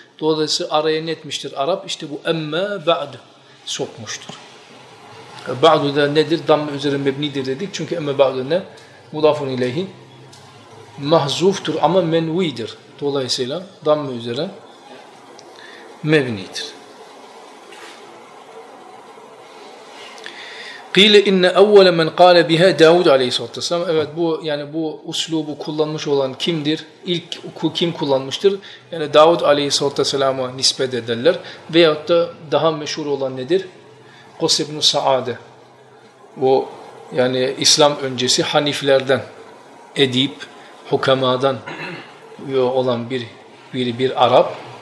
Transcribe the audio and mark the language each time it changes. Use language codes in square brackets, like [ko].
[tr] Dolayısıyla araya ne etmiştir Arap? İşte bu emme ba'du sokmuştur. Ba'du da nedir? Damme üzere mebnidir dedik. Çünkü emme ba'du ne? Mudafun ileyhi mahzuftur ama menvidir. Dolayısıyla damme üzere mebnidir. [ar] قيل ان اول من قال بها داوود عليه الصلاه والسلام [tr] evet bu yani bu uslubu kullanmış olan kimdir? İlk kim kullanmıştır? Yani Davud aleyhisselam'a nispet ederler veyahut da daha meşhur olan nedir? Kus ibn Saade. O yani İslam öncesi haniflerden edip hukamadan olan bir Arap.